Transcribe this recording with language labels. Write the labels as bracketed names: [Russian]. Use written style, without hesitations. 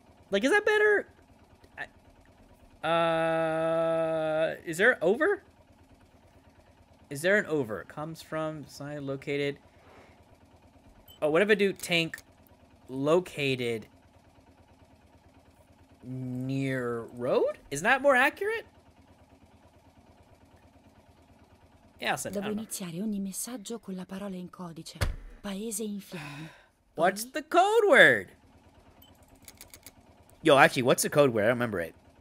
[English] Like, is that better? Is there an over? Is there an over? It comes from sign located. Oh, what if I do tank located near road? Is that more accurate? Yeah, I'll [Italian] devo iniziare ogni messaggio con la parola in codice. Paese in fiamme. [English] What's the code word? Yo, actually, what's the code word? I don't remember it.